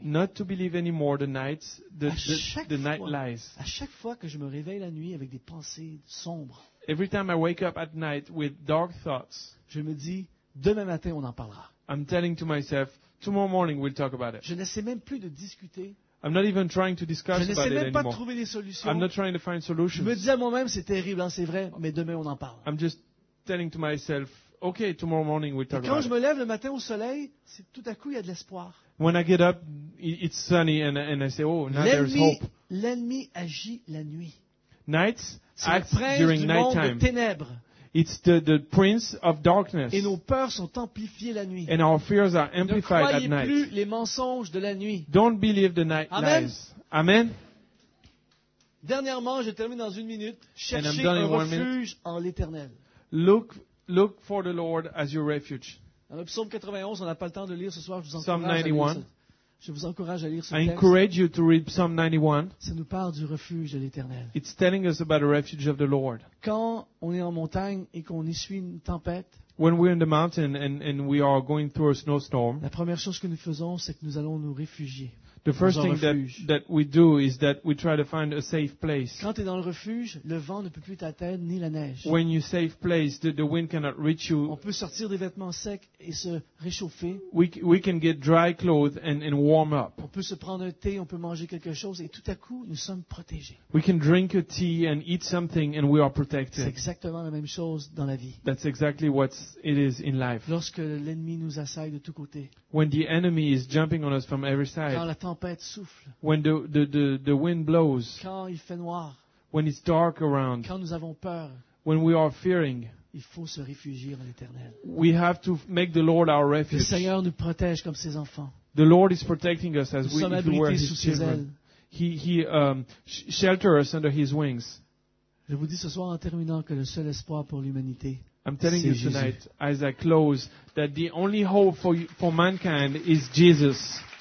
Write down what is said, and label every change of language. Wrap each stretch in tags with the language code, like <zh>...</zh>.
<en>Not to believe anymore the nights, the night lies.</en> <fr>À chaque fois que je me réveille la nuit avec des pensées sombres,</fr> <en>every time I wake up at night with dark thoughts,</en> <fr>je me dis, demain matin on en parlera.</fr> <en>I'm telling to myself, tomorrow morning we'll talk about it.</en> <fr>Je n'essaie même plus de discuter.</fr> <en>I'm not even trying to discuss</en> <fr>je n'essaie</fr> <en>about</en> <fr>même</fr> <en>it</en> <fr>pas</fr> <en>anymore.</en> <fr>De trouver des solutions.</fr> <en>I'm not trying to find solutions.</en> <fr>Je me dis à moi-même, c'est terrible, hein, c'est vrai, mais demain on en parle.</fr> <en>I'm just telling to myself, okay, tomorrow morning we'll talk</en> <fr>quand</fr> <en>about</en> <fr>je</fr> <en>it.</en> <fr>Me lève le matin au soleil, c'est tout à coup il y a de l'espoir.</fr> <en>When I get up, it's sunny and I say, oh, now there's hope.</en> <fr>L'ennemi agit la nuit.</fr> <en>Nights act during nighttime.</en> <fr>C'est le prince du monde des ténèbres.</fr> <en>It's the prince of darkness.</en> <fr>Et nos peurs sont amplifiées la nuit.</fr> <en>And our fears are amplified at night.</en> <fr>Ne croyez plus les mensonges de la nuit.</fr> <en>Don't believe the night lies.</en> <fr>Amen. Dernièrement, je termine dans une minute. Cherchez un refuge en l'Éternel.</fr> <en>Look for the Lord as your refuge.</en> <fr>Dans le psaume 91, on n'a pas le temps de lire ce soir. Je vous encourage</fr> <en>Psalm 91.</en> <fr>Je vous encourage à lire ce texte.</fr> <en>I encourage you to read Psalm 91.</en> <fr>Ça nous parle du refuge de l'Éternel.</fr> <en>It's telling us about the refuge of the Lord.</en> <fr>Quand on est en montagne et qu'on essuie une tempête,</fr> <en>when we're in the mountain and we are going through a snowstorm,</en> <fr>la première chose que nous faisons, c'est que nous allons nous réfugier.</fr> <en>The first thing that we do is that we try to find a safe place.</en> <fr>Quand tu es dans le refuge, le vent ne peut plus t'atteindre ni la neige.</fr> <en>When you safe place, the wind cannot reach you.</en> <fr>On peut sortir des vêtements secs et se réchauffer.</fr> <en>We can get dry clothes and warm up.</en> <fr>On peut se prendre un thé, on peut manger quelque chose et tout à coup, nous sommes protégés.</fr> <en>We can drink a tea and eat something and we are protected.</en> <fr>C'est exactement la même chose dans la vie.</fr> <en>That's exactly what it is in life.</en> <fr>Lorsque l'ennemi nous assaille de tous côtés.</fr> <en>When the enemy is jumping on us from every side. When the wind blows,</en> <fr>quand il fait noir,</fr> <en>when it's dark around,</en> <fr>quand nous avons peur,</fr> <en>when we are fearing,</en> <fr>il faut se réfugier en l'Éternel.</fr> <en>We have to make the Lord our refuge.</en> <fr>Le Seigneur nous protège comme ses enfants.</fr> <en>The Lord is protecting us as</en> <fr>nous</fr> <en>we if we were his</en> <fr>sous</fr> <en>children.</en> <fr>Ses ailes.</fr> <en>He shelters us under his wings.</en> <fr>Je vous dis ce soir en terminant que le seul espoir pour l'humanité,</fr> <en>I'm telling</en> <fr>c'est</fr> <en>you tonight</en> <fr>Jésus.</fr> <en>As I close that the only hope for mankind is Jesus.</en>